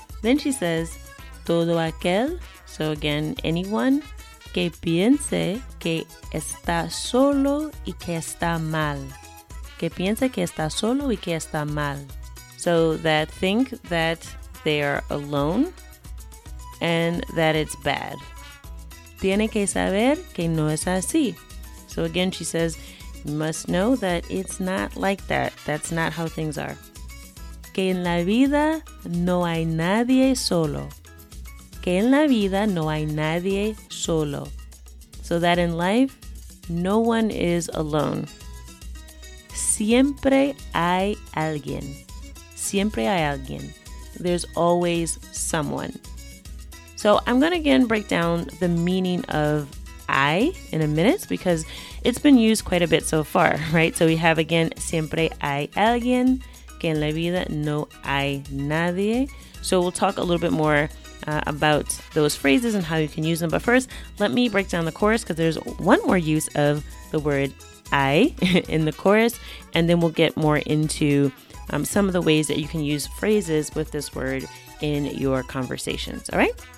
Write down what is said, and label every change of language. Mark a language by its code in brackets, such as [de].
[en] Then she says, [es] todo aquel, [en] so again, anyone, [es] que piense que está solo y que está mal. Que piense que está solo y que está mal. [en] So that think that they are alone and that it's bad. [es] Tiene que saber que no es así. [en] So again, she says, you must know that it's not like that. That's not how things are. [es] Que en la vida no hay nadie solo. Que en la vida no hay nadie solo. [en] So that in life, no one is alone. [es] Siempre hay alguien. Siempre hay alguien. [en] There's always someone. So I'm going to again break down the meaning of I in a minute because it's been used quite a bit so far, right? So we have again, [es] siempre hay alguien, que en la vida no hay nadie. [en] So we'll talk a little bit more about those phrases and how you can use them. But first, let me break down the chorus because there's one more use of the word I in the chorus. And then we'll get more into some of the ways that you can use phrases with this word in your conversations, all right?